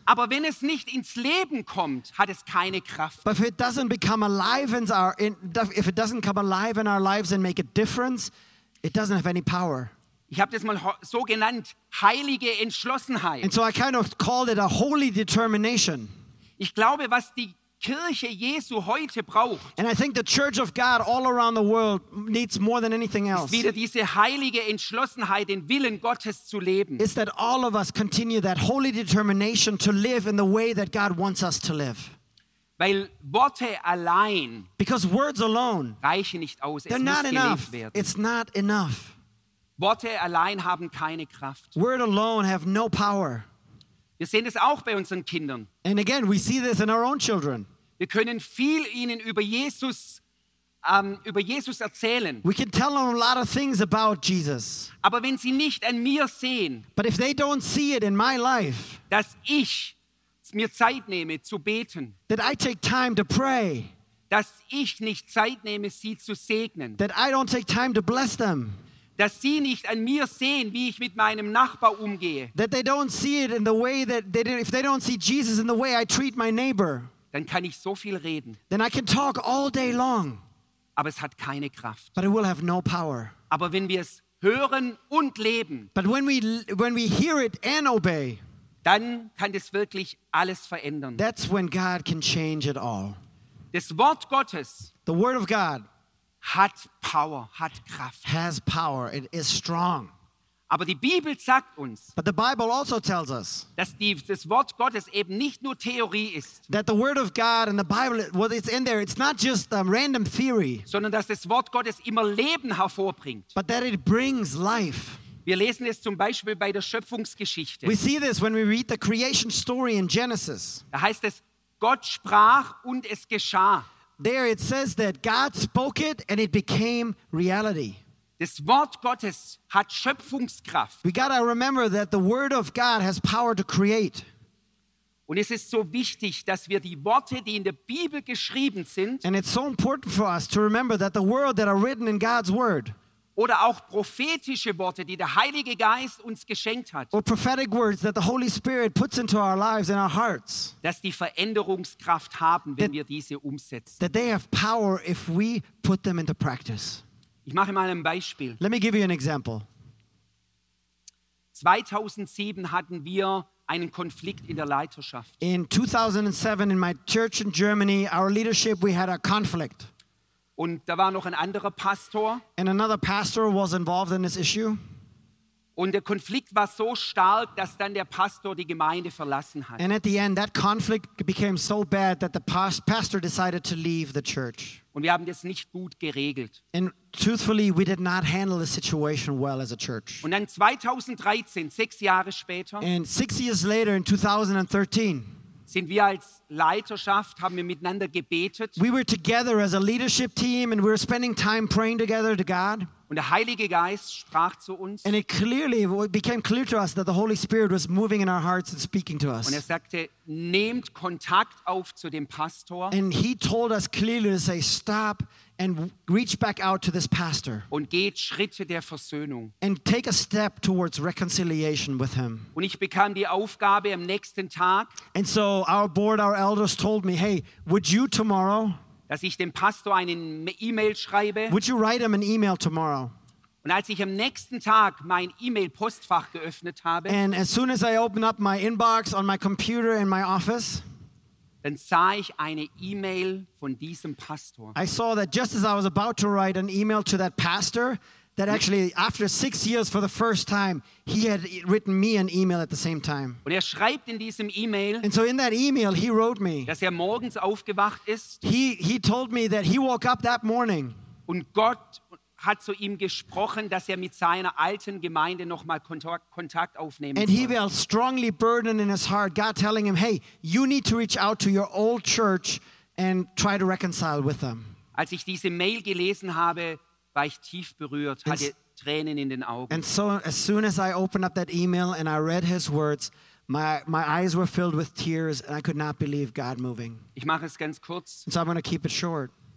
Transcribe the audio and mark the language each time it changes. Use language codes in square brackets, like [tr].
[de] Aber wenn es nicht ins Leben kommt, hat es keine Kraft. [en] But if it doesn't become alive in our if it doesn't come alive in our lives and make a difference, it doesn't have any power. [de] Ich habe das mal so genannt, heilige Entschlossenheit. [en] And so I kind of called it a holy determination. [de] Ich glaube, was die Kirche Jesu heute braucht. [en] And I think the Church of God all around the world needs more than anything else. [de] Ist wieder diese heilige Entschlossenheit, den Willen Gottes zu leben. [en] Is that all of us continue that holy determination to live in the way that God wants us to live? [de] Weil Worte allein, [en] because words alone, [de] reichen nicht aus. [en] They're [de] es [en] not [de] muss [en] enough. [de] Gelebt werden. [en] It's not enough. [de] Worte allein haben keine Kraft. [en] Word alone have no power. [de] Wir sehen es auch bei unseren Kindern. [en] And again, we see this in our own children. [de] Wir können viel ihnen über Jesus erzählen. [en] We can tell them a lot of things about Jesus. [de] Aber wenn sie nicht an mir sehen, [en] but if they don't see it in my life, [de] dass ich mir Zeit nehme zu beten, [en] that I take time to pray, [de] dass ich nicht Zeit nehme sie zu segnen, [en] that I don't take time to bless them, [de] dass sie nicht an mir sehen, wie ich mit meinem Nachbar umgehe. [en] That they don't see it in the way that they didn't, if they don't see Jesus in the way I treat my neighbor. [de] Dann kann ich so viel reden. [en] Then I can talk all day long. [de] Aber es hat keine Kraft. [en] But it will have no power. [de] Aber wenn wir es hören und leben. [en] But when we hear it and obey. [de] Dann kann das wirklich alles verändern. [en] That's when God can change it all. [de] Das Wort Gottes. [en] The word of God. [de] Hat Power, hat Kraft. [en] Has power, it is strong. [de] Aber die Bibel sagt uns, [en] but the Bible also tells us, [de] dass das Wort Gottes eben nicht nur Theorie ist, [en] that the word of God and the Bible, what is in there, it's not just a random theory, [de] sondern dass das Wort Gottes immer Leben hervorbringt, [en] but that it brings life. [de] Wir lesen es zum Beispiel bei der Schöpfungsgeschichte. [en] We see this when we read the creation story in Genesis. [de] Da heißt es, Gott sprach und es geschah. [en] There it says that God spoke it and it became reality. [de] Das Wort Gottes hat Schöpfungskraft. [en] We gotta remember that the word of God has power to create. [de] Und es ist so wichtig, dass wir die Worte, die in der Bibel geschrieben sind, [en] and it's so important for us to remember that the words that are written in God's word, [de] oder auch prophetische Worte, die der Heilige Geist uns geschenkt hat, [en] or prophetic words that the Holy Spirit puts into our lives and our hearts, [de] dass die Veränderungskraft haben, wenn wir diese umsetzen. [en] That they have power if we put them into practice. [de] Ich mache mal ein Beispiel. [en] Let me give you an example. [de] 2007 hatten wir einen Konflikt in der Leiterschaft. [en] In 2007 in my church in Germany, our leadership, we had a conflict. [de] Und da war noch ein anderer Pastor. [en] And another pastor was involved in this issue. [de] Und der Konflikt war so stark, dass dann der Pastor die Gemeinde verlassen hat. [en] And at the end, that conflict became so bad that the pastor decided to leave the church. [de] Und wir haben das nicht gut geregelt. [en] And truthfully, we did not handle the situation well as a church. [de] Und dann 2013, 6 Jahre später. [en] And 6 years later, in 2013. [de] sind wir als Leiterschaft, haben wir miteinander gebetet. [en] We were together as a leadership team and we were spending time praying together to God. [de] Und der Heilige Geist sprach zu uns. [en] And it clearly it became clear to us that the Holy Spirit was moving in our hearts and speaking to us. [de] Und er sagte, nehmt Kontakt auf zu dem Pastor. [en] And he told us clearly to say stop and reach back out to this pastor. [de] Und geht Schritte der Versöhnung. [en] And take a step towards reconciliation with him. [de] Und ich bekam die Aufgabe am nächsten Tag. [en] And so our board, our elders told me, hey, would you tomorrow, [de] dass ich dem Pastor einen E-Mail schreibe. [en] Would you write him an email tomorrow? [de] Und als ich am nächsten Tag mein E-Mail-Postfach geöffnet habe, [en] and as soon as I opened up my inbox on my computer in my office, [de] dann sah ich eine E-Mail von diesem Pastor. [en] I saw that just as I was about to write an email to that pastor, that actually after 6 years for the first time, he had written me an email at the same time. [de] Und er schreibt in diesem E-Mail, [en] and so in that email, he wrote me, [de] dass er morgens aufgewacht ist. [en] He told me that he woke up that morning. [de] Und Gott hat zu ihm gesprochen, dass er mit seiner alten Gemeinde noch mal Kontakt aufnehmen soll. [en] And he felt strongly burdened in his heart, God telling him, hey, you need to reach out to your old church and try to reconcile with them. [de] Als ich diese Mail gelesen habe, war ich tief berührt, hatte Tränen in den Augen. [en] And so as soon as I opened up that email and I read his words, my eyes were filled with tears and I could not believe God moving. [de] Ich mache es ganz kurz. [en] And so I'm going to keep it short.